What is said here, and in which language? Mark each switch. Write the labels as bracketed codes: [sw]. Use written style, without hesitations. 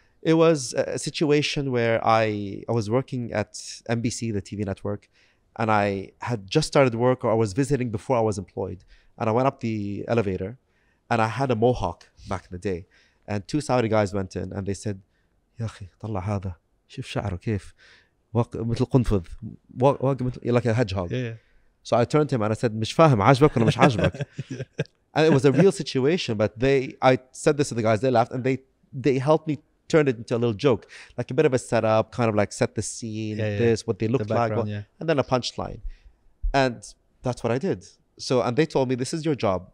[en] It was a situation where I was working at NBC, the TV network, and I had just started work, or I was visiting before I was employed. And I went up the elevator and I had a mohawk back in the day. And two Saudi guys went in and they said, [ar] Ya akhi, طلع هذا. شوف شعره كيف مثل قنفذ [en] like a hedgehog. So I turned to him and I said, [ar] مش فاهم عجبك ولا مش عجبك. [en] And it was a real situation, but I said this to the guys, they laughed, and they helped me turn it into a little joke, like a bit of a setup, kind of like set the scene, what they looked like, and then a punchline. And that's what I did. So, and they told me, this is your job.